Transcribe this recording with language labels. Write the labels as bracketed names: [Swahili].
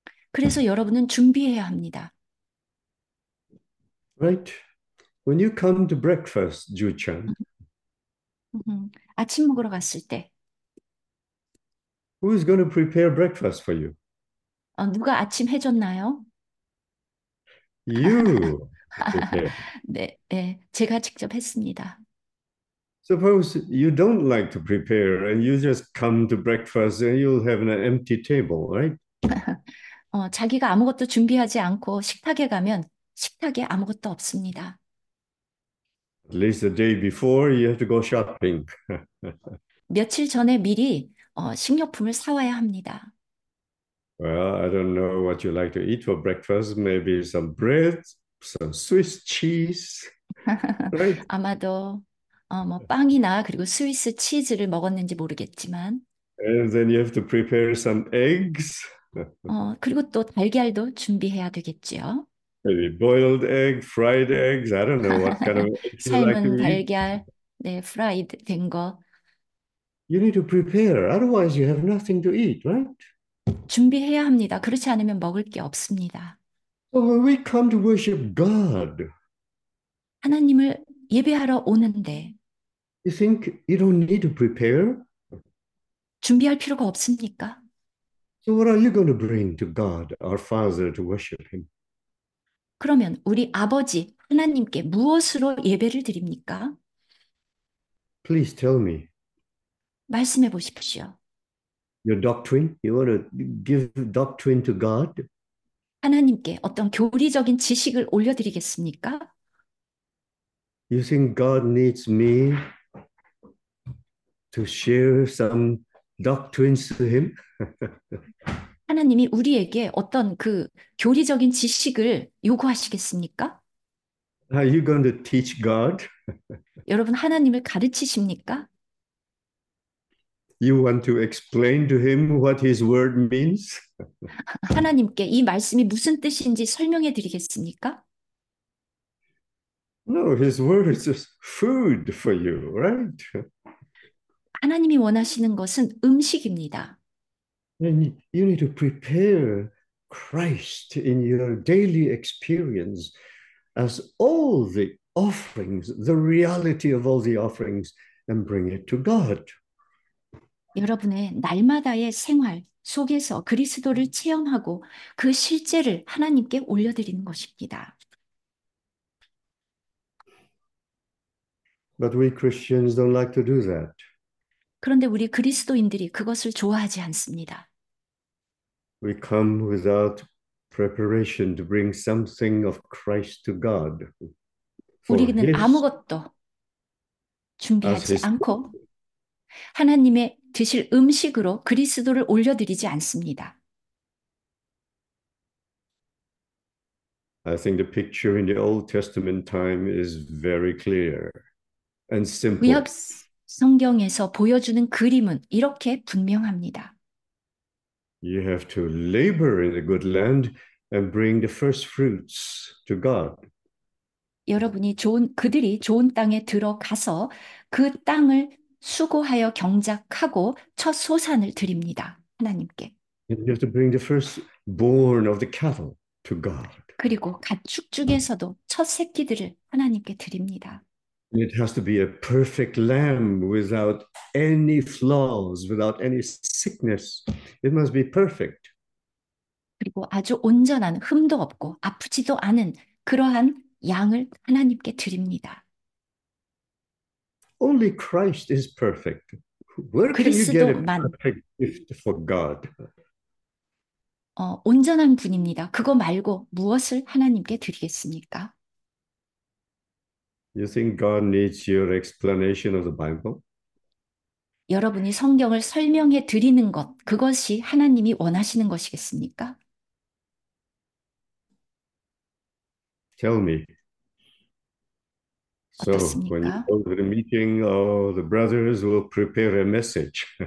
[Korean] 그래서 여러분은 준비해야 합니다. [English] Right? When you come to breakfast, Ju-chan, [Korean] 아침 먹으러 갔을 때, [English] who is going to prepare breakfast for you? [Korean] 누가 아침 해줬나요? [English] You prepare. [Korean] Yeah. 네, 제가 직접 했습니다. [English] Suppose you don't like to prepare and you just come to breakfast and you'll have an empty table, right? [Korean] 자기가 아무것도 준비하지 않고 식탁에 가면 식탁에 아무것도 없습니다. [English] At least the day before, you have to go shopping. [Korean] 며칠 전에 미리 식료품을 사와야 합니다. [English] Well, I don't know what you like to eat for breakfast. Maybe some bread, some Swiss cheese, right? [Korean] 아마도 뭐 빵이나 그리고 스위스 치즈를 먹었는지 모르겠지만, [English] And then you have to prepare some eggs. [Korean] 그리고 또 달걀도 준비해야 되겠지요. [English] Maybe boiled egg, fried eggs. I don't know what kind of eggs you like [Korean] 삶은 [English] to eat. [Korean] 달걀, 네, 프라이드 된 거. [English] You need to prepare, otherwise you have nothing to eat, right? [Korean] 준비해야 합니다. 그렇지 않으면 먹을 게 없습니다. [English] So when we come to worship God, [Korean] 하나님을 예배하러 오는데 [English] you think you don't need to prepare? [Korean] 준비할 필요가 없습니까? [English] So what are you going to bring to God, our Father, to worship Him? [Korean] 그러면 우리 아버지 하나님께 무엇으로 예배를 드립니까? [English] Please tell me. [Korean] 말씀해 보십시오. [English] Your doctrine? You want to give doctrine to God? [Korean] 하나님께 어떤 교리적인 지식을 올려드리겠습니까? [English] You think God needs me to share some doctrines to him? [Korean] 하나님이 우리에게 어떤 그 교리적인 지식을 요구하시겠습니까? [English] Are you going to teach God? [Korean] 여러분, 하나님을 가르치십니까? [English] You want to explain to him what his word means? [Korean] 하나님께 이 말씀이 무슨 뜻인지 설명해 드리겠습니까? [English] No, his word is just food for you, right? [Korean] 하나님이 원하시는 것은 음식입니다. [English] And you need to prepare Christ in your daily experience as all the offerings, the reality of all the offerings, and bring it to God. [Korean] 여러분의 날마다의 생활 속에서 그리스도를 체험하고 그 실제를 하나님께 올려드리는 것입니다. [English] But we Christians don't like to do that. [Korean] 그런데 우리 그리스도인들이 그것을 좋아하지 않습니다. [English] We come without preparation to bring something of Christ to God for [Korean] 우리는 [English] His, [Korean] 아무것도 [English] as [Korean] 준비하지 [English] His. [Korean] 않고 하나님의 드실 음식으로 그리스도를 올려드리지 않습니다. [English] I think the picture in the Old Testament time is very clear and simple. [Korean] 구약 성경에서 보여주는 그림은 이렇게 분명합니다. [English] You have to labor in the good land and bring the first fruits to God. [Korean] 여러분이 좋은, 그들이 좋은 땅에 들어가서 그 땅을 수고하여 경작하고 첫 소산을 드립니다. 하나님께. [English] And you have to bring the firstborn of the cattle to God. [Korean] 그리고 가축 중에서도 첫 새끼들을 하나님께 드립니다. [English] It has to be a perfect lamb without any flaws, without any sickness. It must be perfect. [Korean] 그리고 아주 온전한 흠도 없고 아프지도 않은 그러한 양을 하나님께 드립니다. [English] Only Christ is perfect. Where can you get a [Korean] 그리스도만 [English] perfect gift for God? [Korean] 온전한 분입니다. 그거 말고 무엇을 하나님께 드리겠습니까? [English] You think God needs your explanation of the Bible? [Korean] 여러분이 성경을 설명해 드리는 것, 그것이 하나님이 원하시는 것이겠습니까? [English] Tell me. So, when you [Korean] 어떻습니까? [English] go to the meeting, all the brothers will prepare a message.